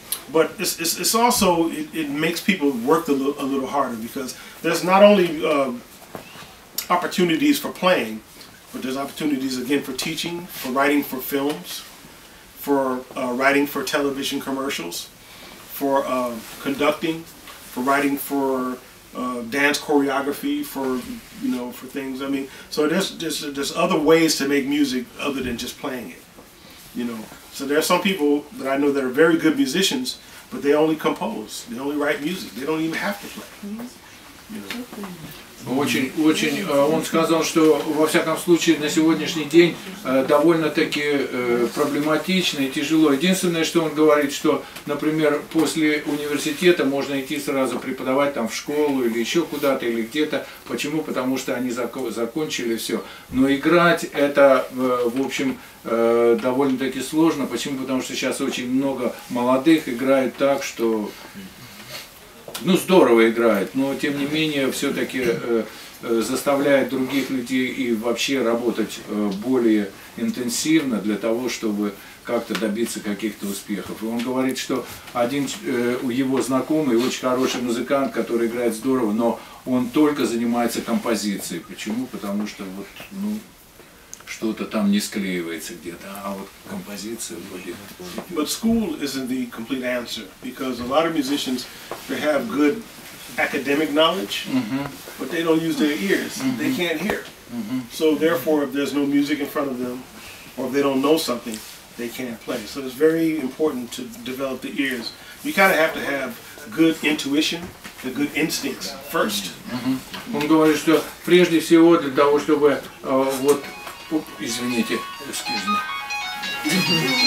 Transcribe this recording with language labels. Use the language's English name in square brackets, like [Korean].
[English] But it's also, it makes people work a little harder because there's not only opportunities for playing, but there's opportunities again for teaching, for writing for films, for writing for television commercials, for conducting, for writing for dance choreography, for, you know, for things. I mean, so there's other ways to make music other than just playing it, you know. So there are some people that I know that are very good musicians, but they only compose, they only write music, they don't even have to play, you know. [Russian] Очень. Он сказал, что во всяком случае на сегодняшний день довольно-таки проблематично и тяжело. Единственное, что он говорит, что, например, после университета можно идти сразу преподавать там в школу или еще куда-то, или где-то. Почему? Потому что они закончили все. Но играть это, в общем, довольно-таки сложно. Почему? Потому что сейчас очень много молодых играют так, что ну, здорово играет, но тем не менее все-таки заставляет других людей и вообще работать более интенсивно для того, чтобы как-то добиться каких-то успехов. И он говорит, что один его знакомый, очень хороший музыкант, который играет здорово, но он только занимается композицией. Почему? Потому что вот, ну, что-то там не склеивается где-то, а вот композиция будет. [English] But school isn't the complete answer, because a lot of musicians, they have good academic knowledge, mm-hmm. but they don't use their ears, mm-hmm. they can't hear. Mm-hmm. So therefore, if there's no music in front of them, or if they don't know something, they can't play. So it's very important to develop the ears. You kind of have to have good intuition, the good instincts first. Mm-hmm. [Russian] Он говорит, что прежде всего для того, чтобы вот извините, [English] excuse me.